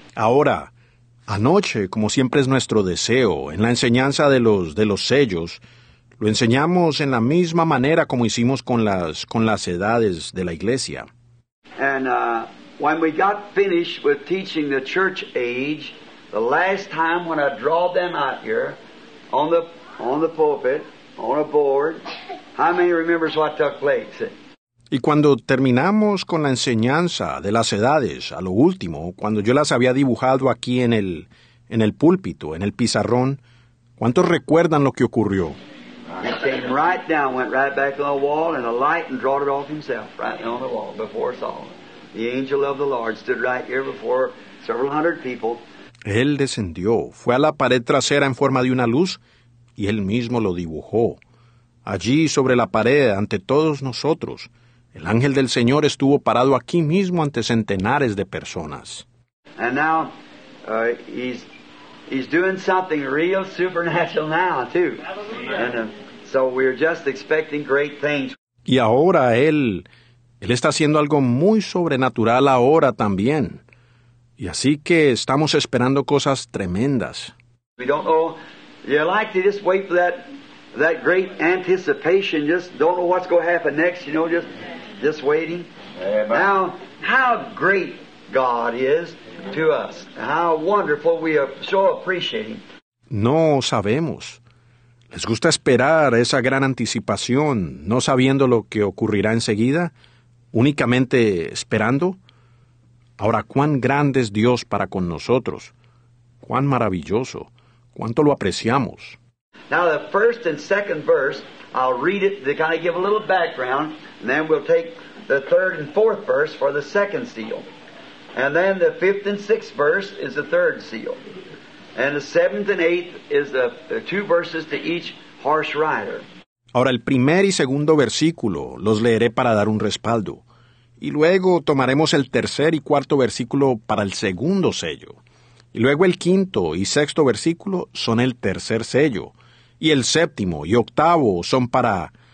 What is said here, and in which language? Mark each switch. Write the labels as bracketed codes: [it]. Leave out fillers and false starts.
[es] Ahora, anoche, como siempre es nuestro deseo, en la enseñanza de los sellos, lo enseñamos en la misma manera como hicimos con las edades de la iglesia. [en] And when we got finished with teaching the church age, the last time when I draw them out here on the pulpit, on a board, how many remembers what took place? [es] Y cuando terminamos con la enseñanza de las edades, a lo último, cuando yo las había dibujado aquí en el púlpito, en el pizarrón, ¿cuántos recuerdan lo que ocurrió? [en] It came right down, went right back on the wall, and a light and drawed it off himself right there on the wall before us all. The angel of the Lord stood right here before several hundred people. [es] Él descendió, fue a la pared trasera en forma de una luz, y él mismo lo dibujó. Allí sobre la pared, ante todos nosotros, el ángel del Señor estuvo parado aquí mismo ante centenares de personas. [en] And now, he's doing something real supernatural now, too. And so we're just expecting great things. [es] Y ahora él está haciendo algo muy sobrenatural ahora también. Y así que estamos esperando cosas tremendas. [en] We don't know. You like to just wait for that great anticipation. Just don't know what's going to happen next, you know, just waiting. Amen. Now, how great God is to us. How wonderful, we are so appreciating. [es] No sabemos. Les gusta esperar esa gran anticipación, no sabiendo lo que ocurrirá enseguida, únicamente esperando. Ahora, cuán grande es Dios para con nosotros. Cuán maravilloso. Cuánto lo apreciamos. [en] Now the first and second verse, I'll read it to kind of give a little background, and then we'll take the third and fourth verse for the second seal. And then the fifth and sixth verse is the third seal. And the seventh and eighth is the two verses to each horse rider. [es] Ahora el primer y segundo versículo los leeré para dar un respaldo. Y luego tomaremos el tercer y cuarto versículo para el segundo sello. Y luego el quinto y sexto versículo son el tercer sello. Y el séptimo y octavo son para...